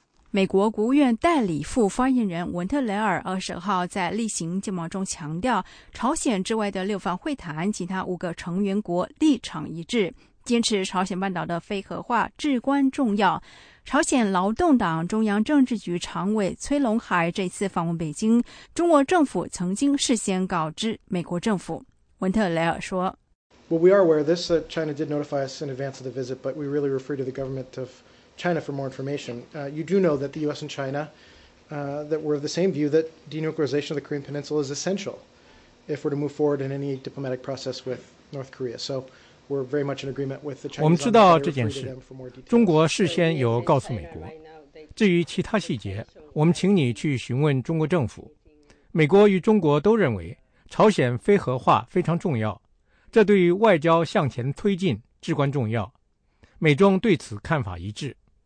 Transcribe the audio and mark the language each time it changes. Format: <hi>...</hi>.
<zh>美国国务院代理副发言人文特雷尔20号在例行见报中强调，朝鲜之外的六方会谈其他五个成员国立场一致，坚持朝鲜半岛的非核化至关重要。朝鲜劳动党中央政治局常委崔龙海这次访问北京，中国政府曾经事先告知美国政府。文特雷尔说，</zh> <en>Well, we are aware of this. China did notify us in advance of the visit, but we really refer to the government of China for more information. You do know that the U.S. and China, that we're of the same view that denuclearization of the Korean Peninsula is essential if we're to move forward in any diplomatic process with North Korea. So we're very much in agreement with the Chinese.</en> <zh>我们知道这件事，中国事先有告诉美国。至于其他细节，我们请你去询问中国政府。美国与中国都认为朝鲜非核化非常重要，这对于外交向前推进至关重要，美中对此看法一致。</zh>